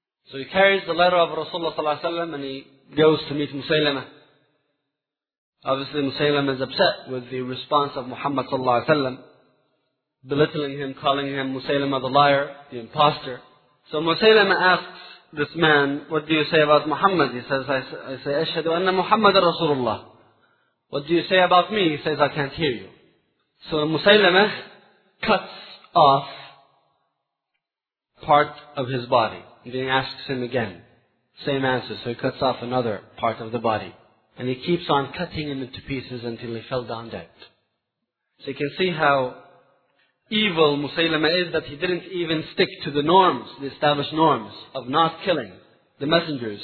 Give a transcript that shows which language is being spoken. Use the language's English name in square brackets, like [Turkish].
[English] So he carries the letter of Rasulullah ﷺ and he goes to meet Musaylama. Obviously Musaylama is upset with the response of Muhammad ﷺ, belittling him, calling him Musaylama the liar, the imposter. So Musaylama asks this man, what do you say about Muhammad? He says, I say, [Arabic] أشهد أن محمد رسول الله. [English] What do you say about me? He says, I can't hear you. So Musaylama cuts off part of his body. And then he asks him again. Same answer. So he cuts off another part of the body. And he keeps on cutting him into pieces until he fell down dead. So you can see how evil Musaylama is, that he didn't even stick to the norms, the established norms of not killing the messengers.